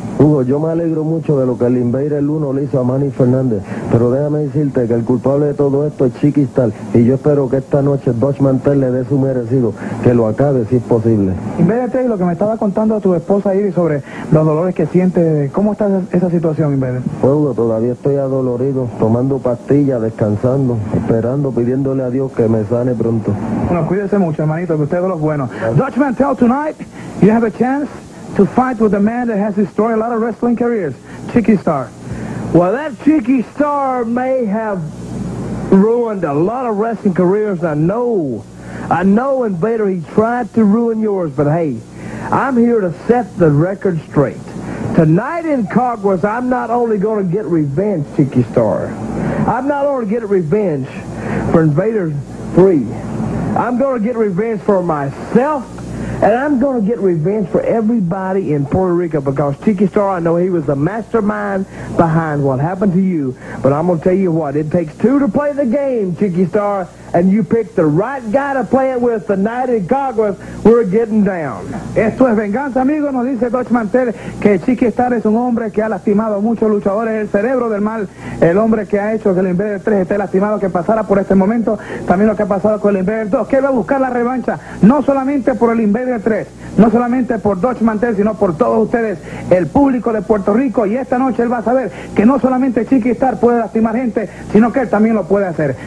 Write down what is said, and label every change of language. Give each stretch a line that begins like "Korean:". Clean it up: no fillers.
Spanish: Hugo, yo me alegro mucho de lo que el Invader 1 le hizo a Manny Fernández, pero déjame decirte que el culpable de todo esto es Chiquistar, y yo espero que esta noche Dutch Mantel le dé su merecido, que lo acabe si es posible. Invader 3, lo que me estaba contando a tu esposa Iris sobre los dolores que siente, ¿cómo está esa situación, Invader? Pues Hugo, todavía estoy adolorido, tomando pastillas, descansando, esperando, pidiéndole a Dios que me sane pronto. Bueno, cuídese mucho, hermanito, que usted es de los buenos.
English: Dutch Mantel, tonight you have a chance to fight with a man that has destroyed a lot of wrestling careers, Chiqui Star. Well, that Chiqui Star may have ruined a lot of wrestling careers, I know, Invader, he tried to ruin yours, but hey, I'm here to set the record straight. Tonight in Congress, I'm not only going to get revenge, Chiqui Star. I'm not only get revenge for Invader 3. I'm going to get revenge for myself, and I'm going to get revenge for everybody in Puerto Rico, because Chiqui Star, I know he was the mastermind behind what happened to you, but I'm going to tell you what, it takes two to play the game, Chiqui Star, and you picked the right guy to play it with tonight in Congress. We're getting down.
Spanish: Esto es venganza, amigo, nos dice Dutch Mantel, que Chiqui Star es un hombre que ha lastimado a muchos luchadores, el cerebro del mal, el hombre que ha hecho que el Invader 3 esté lastimado, que pasara por este momento, también lo que ha pasado con el Invader 2, que va a buscar la revancha, no solamente por el Invader 3, no solamente por Dutch Mantel, sino por todos ustedes, el público de Puerto Rico, y esta noche él va a saber que no solamente Chiqui Star puede lastimar gente, sino que él también lo puede hacer.